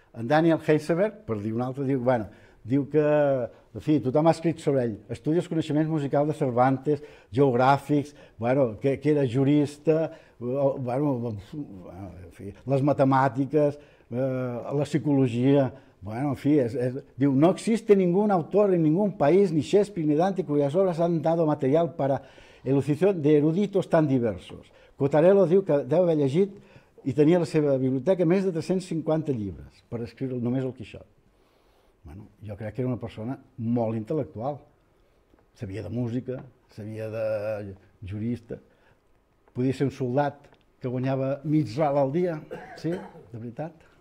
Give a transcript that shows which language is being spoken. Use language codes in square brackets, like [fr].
[ca] En Daniel Heisenberg, per dir un altre, diu que tothom ha escrit sobre ell. Estudia els coneixements musicals de Cervantes, geogràfics, que era jurista, les matemàtiques, la psicologia... [es] Diu, no existe ningún autor en ningún país, ni Shakespeare ni Dante, cuyas obras han dado material para elucidación de eruditos tan diversos. [ca] Cotarello diu que deu haver llegit i tenia a la seva biblioteca més de 350 llibres per escriure només el Quixot. Jo crec que era una persona molt intel·lectual. Sabia de música, sabia de jurista, podia ser un soldat que guanyava mig ral al dia, sí, de veritat.